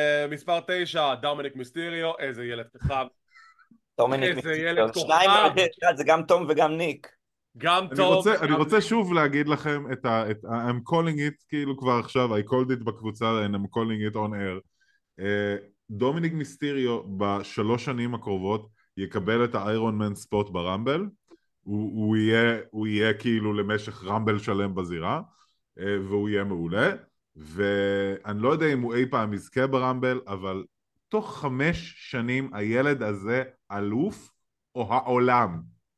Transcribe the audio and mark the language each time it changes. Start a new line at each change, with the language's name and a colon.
Hebrew: מספר 9, דומיניק מיסטיריו, איזה ילד כוכב. דומיניק מיסטיריו, זה גם תום וגם ניק. גם תום וגם ניק. אני רוצה שוב להגיד לכם את ה...
English: I'm calling it,
Hebrew: כאילו כבר עכשיו,
English: I called it
Hebrew: בקבוצה,
English: and I'm calling it on air.
Hebrew: דומיניק מיסטיריו בשלוש שנים הקרובות יקבל את האיירון מן ספוט ברמבל. הוא יהיה כאילו למשך רמבל שלם בזירה, והוא יהיה מעולה. ואני לא יודע אם הוא אי פעם יזכה ברמבל, אבל תוך 5 שנים הילד הזה אלוף או העולם.